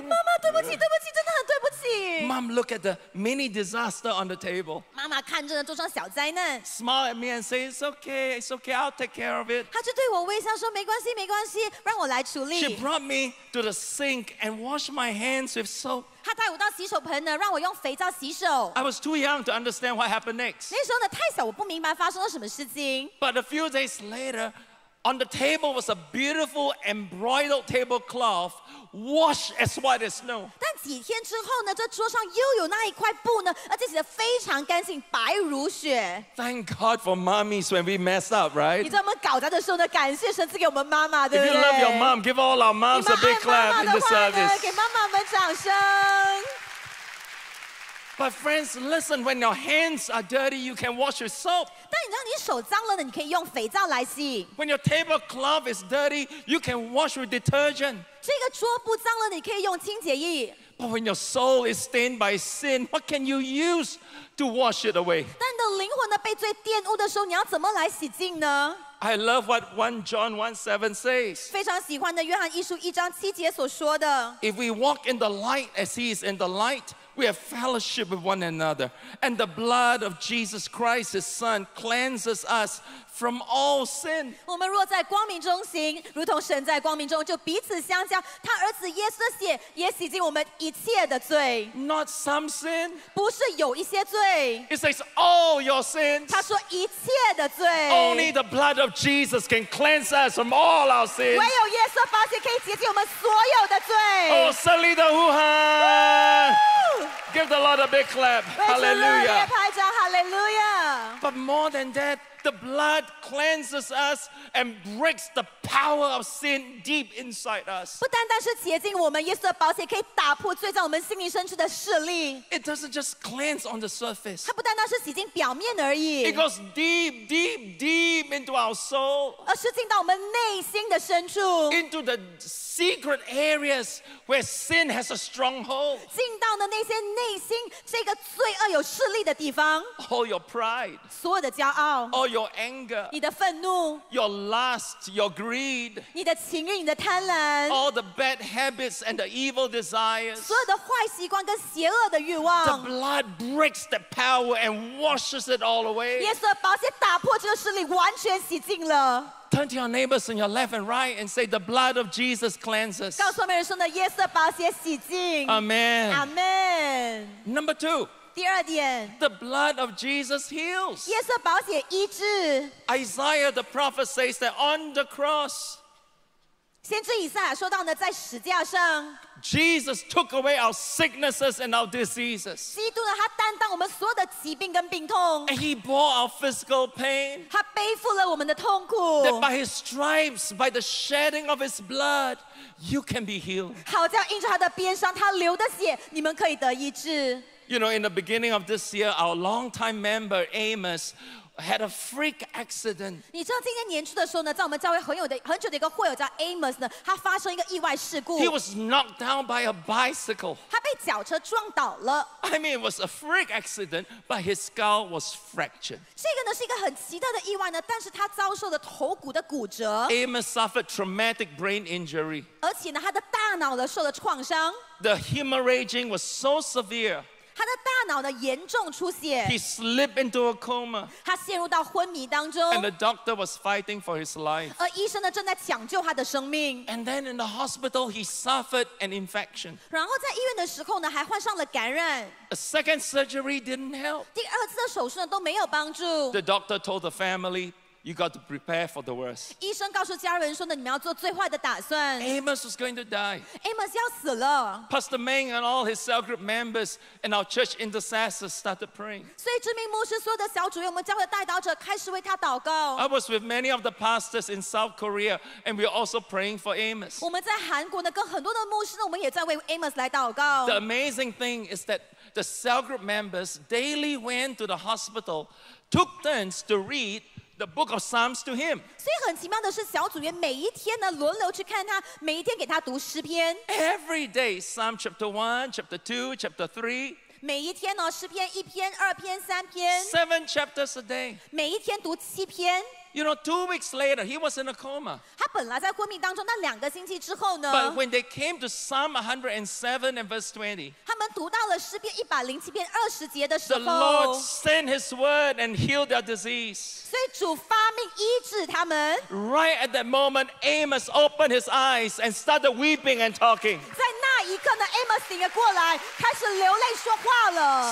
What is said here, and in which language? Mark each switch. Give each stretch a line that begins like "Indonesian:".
Chinese: 妈妈，对不起，对不起，真的很对不起。
English: Mom, look at the mini disaster on the table.
Chinese: 妈妈看着桌上小灾难。
English: Smile at me and say, "It's okay. It's okay. I'll take care of it."
Chinese: 她就对我微笑说，没关系，没关系，让我来处理。
English: She brought me to the sink and washed my hands with soap.
Chinese: 她带我到洗手盆呢，让我用肥皂洗手。
English: I was too young to understand what happened next.
Chinese: 那时候呢，太小，我不明白发生了什么事情。
English: But a few days later. On the table was a beautiful embroidered tablecloth, washed as white as snow.
Chinese: 但几天之后呢，这桌上又有那一块布呢，而且洗得非常干净，白如雪。
English: Thank God for mommies when we mess up, right?
Chinese: 你在我们搞砸的时候呢，感谢神赐给我们妈妈，对不对？
English: If you love your mom, give all our moms a big clap in the service.
Chinese: 给妈妈们掌声。
English: But friends, listen, when your hands are dirty, you can wash with soap.
Chinese: 但你知道你手脏了呢，你可以用肥皂来洗。
English: When your tablecloth is dirty, you can wash with detergent.
Chinese: 这个桌布脏了呢，你可以用清洁液。
English: But when your soul is stained by sin, what can you use to wash it away?
Chinese: 但你的灵魂呢，被罪玷污的时候，你要怎么来洗净呢？
English: I love what 1 John 1:7 says.
Chinese: 非常喜欢的约翰一书一章七节所说的。
English: If we walk in the light as he is in the light, we have fellowship with one another. And the blood of Jesus Christ, his son, cleanses us from all sin.
Chinese: 我们若在光明中行，如同神在光明中，就彼此相交。他儿子耶稣的血也洗净我们一切的罪。
English: Not some sin.
Chinese: 不是有一些罪。
English: It says all your sins.
Chinese: 他说一切的罪。
English: Only the blood of Jesus can cleanse us from all our sins.
Chinese: 唯有耶稣宝血可以洁净我们所有的罪。
English: Oh,
Chinese: 胜利的呼喊！
English: Give the Lord a big clap. Hallelujah. But more than that, the blood cleanses us and breaks the power of sin deep inside us.
Chinese: 不单单是洁净我们，耶稣的宝血可以打破罪在我们心灵深处的势力。
English: It doesn't just cleanse on the surface.
Chinese: 它不单单是洗净表面而已。
English: It goes deep, deep, deep into our soul.
Chinese: 而是进到我们内心的深处。
English: Into the secret areas where sin has a stronghold.
Chinese: 进到了那些内心这个罪恶有势力的地方。
English: All your pride.
Chinese: 所有的骄傲。
English: All your anger,
Chinese: 你的愤怒,
English: your lust, your greed,
Chinese: 你的情欲, 你的贪婪,
English: all the bad habits and the evil desires,
Chinese: 所有的坏习惯跟邪恶的欲望,
English: the blood breaks the power and washes it all away.
Chinese: 耶稣的宝血打破这个势力，完全洗净了。
English: Turn to your neighbors on your left and right and say, the blood of Jesus cleanses.
Chinese: 告诉每人说呢，耶稣的宝血洗净。
English: Amen. Amen. Number two.
Chinese: 第二点,
English: the blood of Jesus heals.
Chinese: 耶稣宝血医治。
English: Isaiah the prophet says that on the cross,
Chinese: 先知以赛亚说到呢, 在十字架上,
English: Jesus took away our sicknesses and our diseases.
Chinese: 基督呢, 祂担当我们所有的疾病跟病痛。
English: And he bore our physical pain.
Chinese: 祂背负了我们的痛苦。
English: That by his stripes, by the shedding of his blood, you can be healed.
Chinese: 好像印着祂的鞭伤, 祂流的血, 你们可以得医治。
English: You know, in the beginning of this year, our longtime member, Amos, I had a freak accident.
Chinese: 你知道今年年初的时候呢，在我们教会很久的一个会友叫 Amos 呢，他发生一个意外事故。
English: He was knocked down by a bicycle.
Chinese: 他被脚车撞倒了。
English: I mean, it was a freak accident, but his skull was fractured.
Chinese: 这个呢是一个很奇特的意外呢，但是他遭受了头骨的骨折。Amos
English: suffered traumatic brain injury.
Chinese: 而且呢，他的大脑呢受了创伤。
English: The hemorrhaging was so severe.
Chinese: 他的大脑的严重出血,
English: he slipped into a coma.
Chinese: 他陷入到昏迷当中,
English: and the doctor was fighting for his life.
Chinese: 而医生呢,正在抢救他的生命,
English: and then in the hospital, he suffered an infection.
Chinese: 然后在医院的时候呢, 还患上了感染,
English: a second surgery didn't help.
Chinese: 第二次的手术呢,都没有帮助,
English: the doctor told the family, you got to prepare for the worst.
Chinese: 医生告诉家人说呢,你们要做最坏的打算。
English: Amos was going to die.
Chinese: Amos 要死了。
English: Pastor Meng and all his cell group members and our church intercessors started praying.
Chinese: 所以知名牧师所有的小组员,我们教会的代祷者开始为他祷告。
English: I was with many of the pastors in South Korea and we were also praying for Amos.
Chinese: 我们在韩国呢,跟很多的牧师呢,我们也在为 Amos 来祷告。
English: The amazing thing is that the cell group members daily went to the hospital, took turns to read the book of Psalms to him.
Chinese: 所以很奇妙的是,小组员每一天呢,轮流去看他,每一天给他读诗篇。
English: Every day, Psalm chapter 1, chapter 2, chapter 3.
Chinese: 每一天呢,诗篇一篇,二篇,三篇。
English: 7 chapters a day.
Chinese: 每一天读七篇。
English: You know, 2 weeks later, he was in a coma.
Chinese: 他本来在昏迷当中,那两个星期之后呢?
English: But when they came to Psalm 107 and verse 20,
Chinese: 他们读到了诗篇107篇20节的时候,
English: the Lord sent his word and healed their disease.
Chinese: 所以主发命医治他们,
English: right at that moment, Amos opened his eyes and started weeping and talking.
Chinese: 在那一刻呢, Amos 醒了过来, 开始流泪说话了。